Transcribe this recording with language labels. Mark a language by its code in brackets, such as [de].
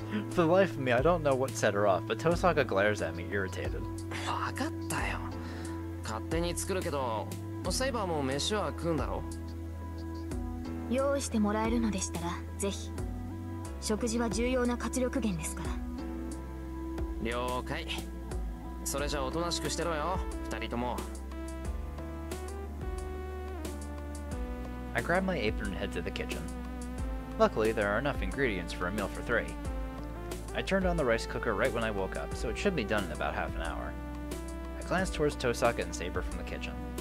[en] For the life of me, I don't know what set her off, but Tosaka glares at me, irritated. [ja] わかったよ。勝手に作るけど。サイバーも飯は食うんだろう。用意してもらえるのでしたら、ぜひ。食事は重要な活力源ですから。了解。それじゃおとなしくしてろよ、二人とも。 [en] I grab my apron and head to the kitchen. Luckily, there are enough ingredients for a meal for three. I turned on the rice cooker right when I woke up, so it should be done in about half an hour. I glanced towards Tosaka and Saber from the kitchen.